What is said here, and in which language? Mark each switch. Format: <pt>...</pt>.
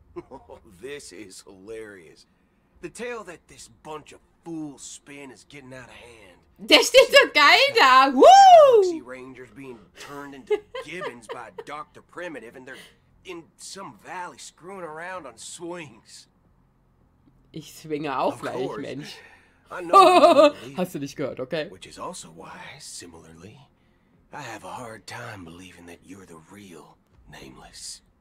<en>Oh, this is hilarious. The tale that this bunch of fools spin is getting out of hand.</en> <de>Der steht so geil da. Woo!</de> <en>Galaxy Rangers being turned into gibbons by Dr. Primitive, and they're in some valley screwing around on swings.</en> <de>Ich schwinge auch gleich, Mensch. Oh, hast du nicht gehört, okay?</de> <en>Which is also why, similarly, I have a hard time believing that you're the real Nameless.</en>